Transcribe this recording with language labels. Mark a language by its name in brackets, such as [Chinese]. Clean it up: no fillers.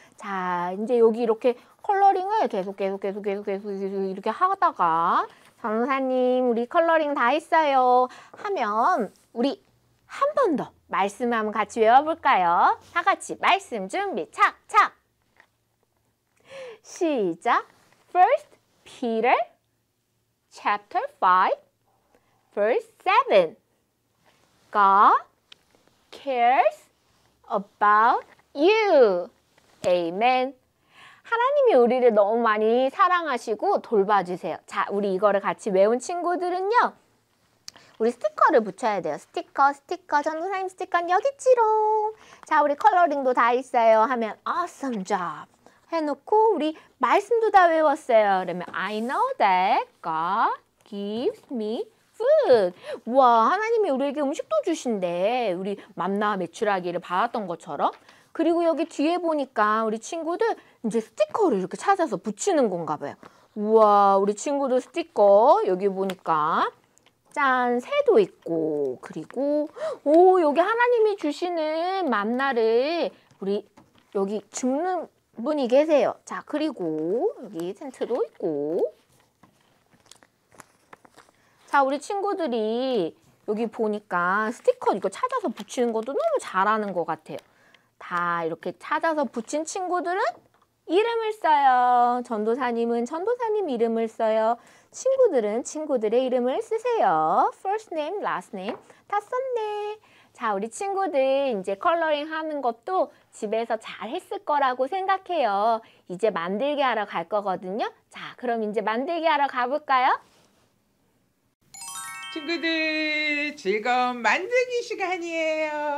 [Korean] 자, 이제 여기 이렇게 컬러링을 계속 이렇게 하다가 전도사님 우리 컬러링 다 했어요 하면 우리 한 번 더 말씀 한번 같이 외워볼까요? 다 같이 말씀 준비 착착 시작. [English] First Peter Chapter 5 Verse 7 God cares about you. Amen. [Korean] 하나님이 우리를 너무 많이 사랑하시고 돌봐주세요. 자, 우리 이거를 같이 외운 친구들은요. 우리 스티커를 붙여야 돼요. 스티커. 전도사님 스티커는 여기 있지롱. 자, 우리 컬러링도 다 있어요. 하면 [English] awesome job [Korean] 해놓고 우리 말씀도 다 외웠어요. 그러면 [English] I know that God gives me food. [Korean] 우와, 하나님이 우리에게 음식도 주신대. 우리 만나 메추라기를 받았던 것처럼. 그리고 여기 뒤에 보니까 우리 친구들 이제 스티커를 이렇게 찾아서 붙이는 건가 봐요. 우와, 우리 친구들 스티커 여기 보니까 짠, 새도 있고 그리고 오, 여기 하나님이 주시는 만나를 우리 여기 죽는 분이 계세요. 자, 그리고 여기 텐트도 있고 자, 우리 친구들이 여기 보니까 스티커 이거 찾아서 붙이는 것도 너무 잘하는 것 같아요. 다 이렇게 찾아서 붙인 친구들은 이름을 써요. 전도사님은 전도사님 이름을 써요. 친구들은 친구들의 이름을 쓰세요. [English] First name, last name [Korean] 다 썼네. 자, 우리 친구들 이제 컬러링 하는 것도 집에서 잘 했을 거라고 생각해요. 이제 만들기 하러 갈 거거든요. 자, 그럼 이제 만들기 하러 가볼까요? 친구들 즐거운 만들기 시간이에요.